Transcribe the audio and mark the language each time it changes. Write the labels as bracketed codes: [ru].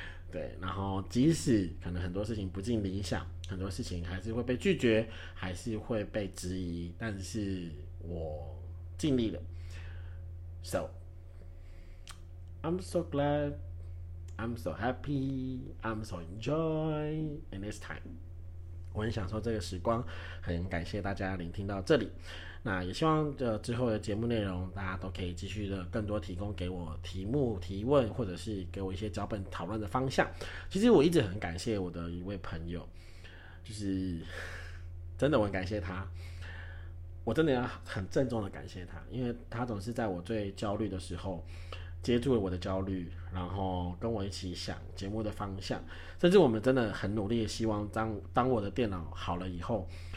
[zh] 对，然后即使可能很多事情不尽理想，很多事情还是会被拒绝，还是会被质疑，但是我尽力了。 [en] So, I'm so glad, I'm so happy, I'm so enjoy in this time。 [zh] 我很享受这个时光，很感谢大家聆听到这里。那也希望之后的节目内容，大家都可以继续的更多提供给我题目提问，或者是给我一些脚本讨论的方向。其实我一直很感谢我的一位朋友，就是真的我很感谢他，我真的要很郑重的感谢他，因为他总是在我最焦虑的时候接住了我的焦虑，然后跟我一起想节目的方向，甚至我们真的很努力，希望当我的电脑好了以后。